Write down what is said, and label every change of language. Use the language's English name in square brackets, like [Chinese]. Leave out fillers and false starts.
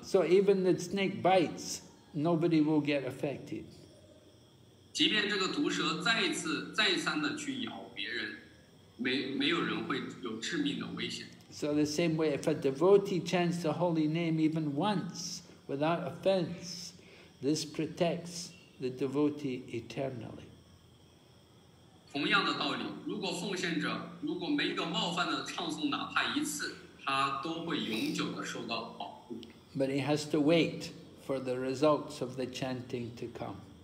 [English] So even the snake bites, nobody will get affected. [Chinese] 即便这个毒蛇再次再三的去咬别人，没有人会有致命的危险。 [English] So the same way, if a devotee chants the holy name even once without offense, this protects the devotee eternally. [Chinese] 同样的道理，如果奉献者如果没一个冒犯的唱诵，哪怕一次，他都会永久的受到保护。 [English] But he has to wait for the results of the chanting to come.